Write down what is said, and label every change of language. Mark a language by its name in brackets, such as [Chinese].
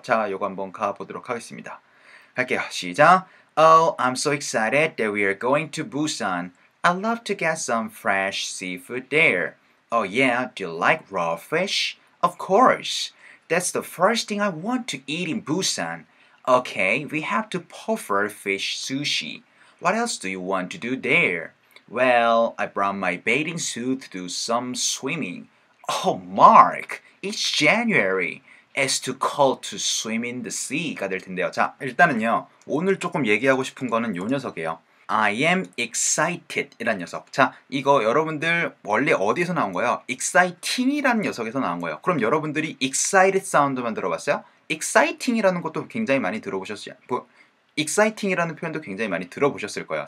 [Korean] 자, 요거 한번 가보도록 하겠습니다. 갈게요. 시작! [English] Oh, I'm so excited that we are going to Busan. I'd love to get some fresh seafood there. Oh yeah, do you like raw fish? Of course. That's the first thing I want to eat in Busan. Okay, we have to prefer fish sushi. What else do you want to do there? Well, I brought my bathing suit to do some swimming. Oh, Mark! It's January. It's too cold to swim in the sea가 [Korean] 될 텐데요. 자, 일단은요. 오늘 조금 얘기하고 싶은 거는 요 녀석이에요. [English] I am excited [Korean] 이란 녀석. 자, 이거 여러분들 원래 어디서 나온 거예요? exciting 이란 녀석에서 나온 거예요. 그럼 여러분들이 excited 사운드만 들어봤어요? exciting 이라는 것도 굉장히 많이 들어보셨어요. exciting 이라는 표현도 굉장히 많이 들어보셨을 거예요.